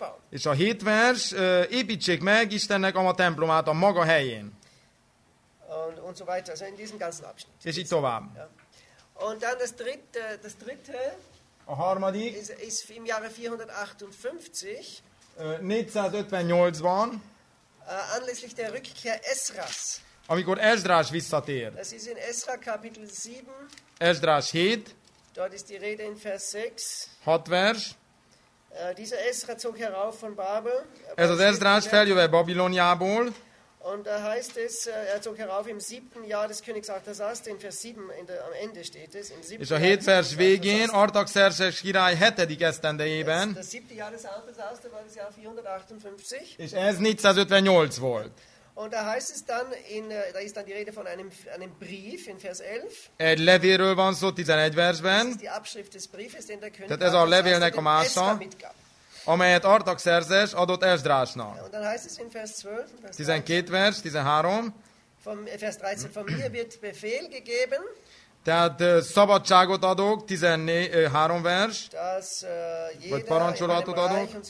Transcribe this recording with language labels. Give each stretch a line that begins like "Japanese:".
Hungarian: És a hét vers, építsék meg Istennek a templomát a maga helyén.
German: Und so weiter, also in diesem ganzen Abschnitt.
Hungarian: És így tovább.
German: Ja. Und dann das dritte
Hungarian: a harmadik
German: ist im Jahre 458
Hungarian: 458-ban
German: anlässlich der Rückkehr Esras.
Hungarian: Amikor Esdrás visszatér.
German: Das ist in Esra Kapitel 7.
Hungarian: Esdrás 7.
German: Dort ist die Rede in Vers 6.
Hungarian: 6 vers.
German: Dieser Esra zog herauf von Babel.
Hungarian: Ez az Esdrás feljöve Babiloniából.
German: Und da heißt es, er zog herauf im siebten Jahr des Königs Artaxerxes, in Vers 7, am Ende steht es. Im siebten Jahr.
Hungarian: És a hét vers végén, Artaxerxes király hetedik esztendejében.
German: Das siebte Jahr des Artaxerxes war das Jahr 458.
Hungarian: És ez 458 volt.
German: Und da heißt es dann, da ist dann die Rede von einem Brief in Vers 11.
Hungarian: Egy levélről van szó, 11 versben.
German: Das ist die Abschrift des Briefes, den der König
Hungarian: Tehát ez a levélnek a mása. Amelyet Artaxerxes adott Esdrásnak. 12 vers, 13.
German: Vers 13. Von mir wird Befehl gegeben.
Hungarian: Tehát szabadságot adok, 13 vers. Vagy parancsolatot adok.